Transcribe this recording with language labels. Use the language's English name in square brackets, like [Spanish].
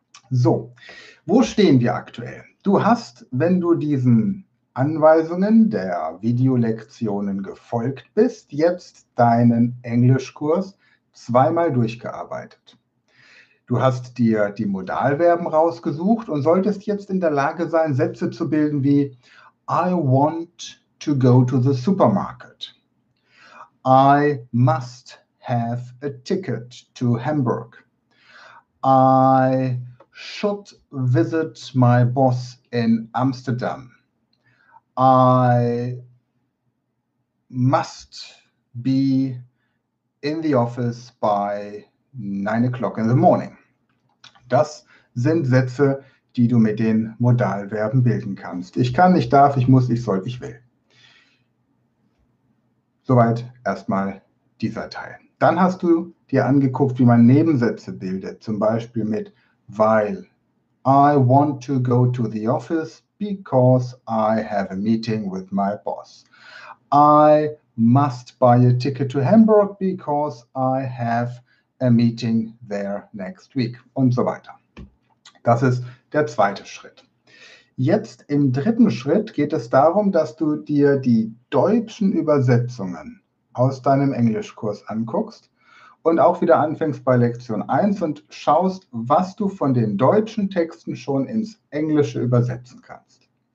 [German] So, wo stehen wir aktuell? Du hast, wenn du diesen Anweisungen der Videolektionen gefolgt bist, jetzt deinen Englischkurs 2-mal durchgearbeitet. Du hast dir die Modalverben rausgesucht und solltest jetzt in der Lage sein, Sätze zu bilden wie [English] I want to go to the supermarket. I must have a ticket to Hamburg. I should visit my boss in Amsterdam. I must be in the office by 9 o'clock in the morning. [German] Das sind Sätze, die du mit den Modalverben bilden kannst. Ich kann, ich darf, ich muss, ich soll, ich will. Soweit erstmal dieser Teil. Dann hast du dir angeguckt, wie man Nebensätze bildet. Zum Beispiel mit weil. [English] I want to go to the office. Because I have a meeting with my boss. I must buy a ticket to Hamburg because I have a meeting there next week. [German] Und so weiter. Das ist der zweite Schritt. Jetzt im dritten Schritt geht es darum, dass du dir die deutschen Übersetzungen aus deinem Englischkurs anguckst und auch wieder anfängst bei Lektion 1 und schaust, was du von den deutschen Texten schon ins Englische übersetzen kannst.